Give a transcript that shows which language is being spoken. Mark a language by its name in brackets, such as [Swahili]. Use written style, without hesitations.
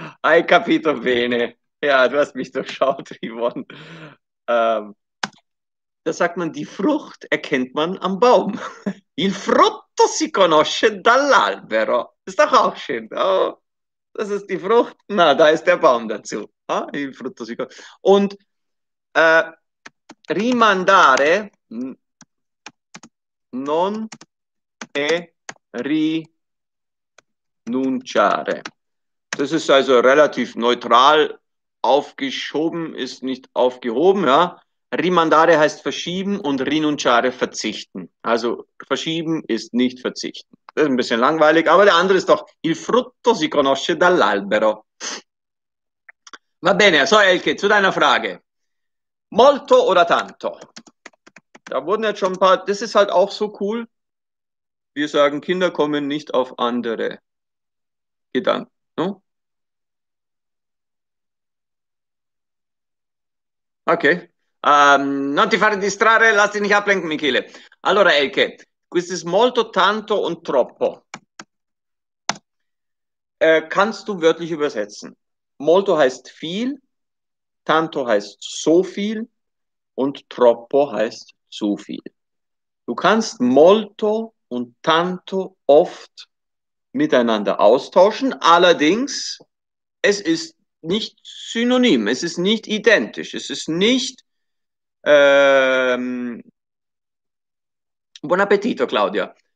[Italian] Hai capito bene. [German] Ja, du hast mich durchschaut, Yvonne. Da sagt man, die Frucht erkennt man am Baum. [Italian] Il frutto si conosce dall'albero. [German] Ist doch auch schön. Oh, das ist die Frucht. Na, da ist der Baum dazu. [Italian] Ah, il frutto si conosce. Und rimandare non è rinunciare. [German] Das ist also relativ neutral. Aufgeschoben ist nicht aufgehoben, ja. Rimandare heißt verschieben und rinunciare verzichten. Also verschieben ist nicht verzichten. Das ist ein bisschen langweilig, aber der andere ist doch [Italian] il frutto si conosce dall'albero. Va bene, [German] so Elke, zu deiner Frage. Molto oder tanto? Da wurden jetzt schon ein paar, das ist halt auch so cool. Wir sagen, Kinder kommen nicht auf andere Gedanken, no? [Italian] Okay. Non ti fare distrarre, [German] lassi nicht ablenken, [Italian] Michele. Allora, Elke, questo è molto, tanto und troppo. [German] Kannst du wörtlich übersetzen? Molto heißt viel, tanto heißt so viel und troppo heißt zu viel. Du kannst molto und tanto oft miteinander austauschen, allerdings, es ist nicht synonym, es ist nicht identisch, es ist nicht buon appetito, Claudia.